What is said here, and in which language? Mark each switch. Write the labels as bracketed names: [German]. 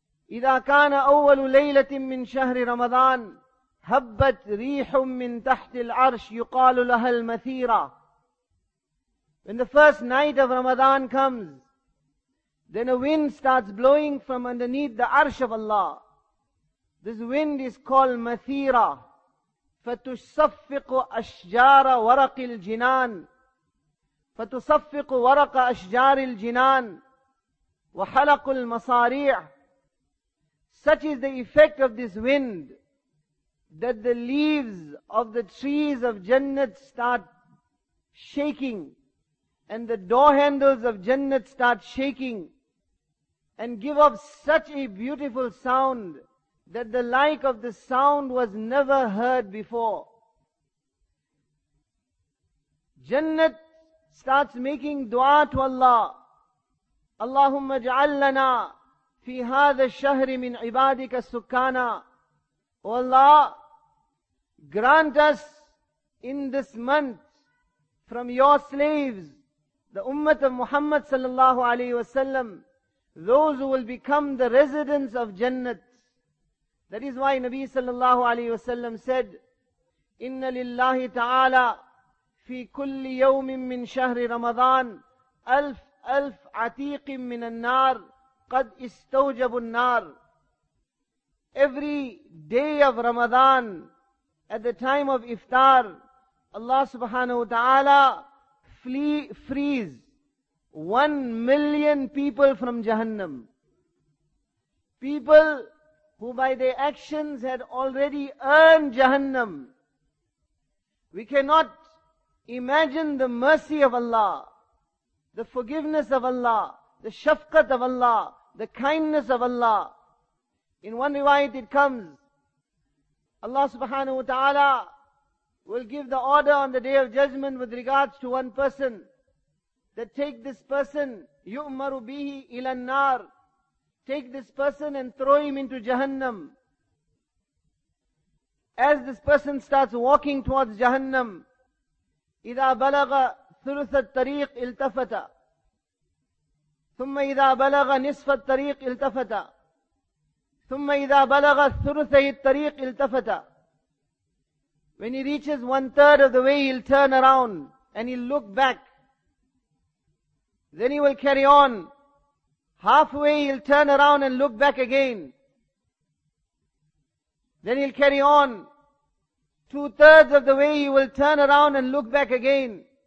[Arabic] إِذَا كَانَ أَوَّلُ لَيْلَةٍ مِّن شَهْرِ رَمَضَانِ هَبَّتْ رِيحٌ مِّن تَحْتِ الْعَرْشِ يُقَالُ لَهَا الْمَثِيرَةِ. [English] When the first night of Ramadan comes, then a wind starts blowing from underneath the arsh of Allah. This wind is called Mathira. [Arabic] فَتُشْصَفِّقُ أَشْجَارَ وَرَقِ الْجِنَانِ فتصفق ورق أشجار الجنان وحلق المصاريع. [English] Such is the effect of this wind that the leaves of the trees of Jannat start shaking, and the door handles of Jannat start shaking and give off such a beautiful sound that the like of the sound was never heard before. Jannat starts making dua to Allah. [Arabic] Allahumma ja'al lana fi hadha shahri min ibadika sukkana. [English] O Allah, grant us in this month from your slaves, the ummah of Muhammad sallallahu alayhi wa sallam, those who will become the residents of Jannat. That is why Nabi sallallahu alayhi wa sallam said, [Arabic] inna lillahi ta'ala في كل يوم من شهر رمضان ألف ألف عتيق من النار قد استوجب النار. [English] Every day of Ramadan, at the time of iftar, Allah subhanahu wa ta'ala frees 1 million people from Jahannam. People who by their actions had already earned Jahannam. We cannot imagine the mercy of Allah, the forgiveness of Allah, the shafqat of Allah, the kindness of Allah, In one riwayat it comes, Allah subhanahu wa ta'ala will give the order on the day of judgment with regards to one person, that take this person, [Arabic] yu'maru bihi ila an-nar, [English] take this person and throw him into Jahannam. As this person starts walking towards Jahannam, [Arabic] إِذَا بَلَغَ ثُلُثَ الطَّرِيقِ إِلْتَفَتَ ثُمَّ إِذَا بَلَغَ نِصْفَ الطَّرِيقِ إِلْتَفَتَ ثُمَّ إِذَا بَلَغَ ثُلُثَهِ الطَّرِيقِ إِلْتَفَتَ. [English] When he reaches one third of the way, he'll turn around and he'll look back. Then he will carry on. Halfway he'll turn around and look back again. Then he'll carry on. Two-thirds of the way he will turn around and look back again.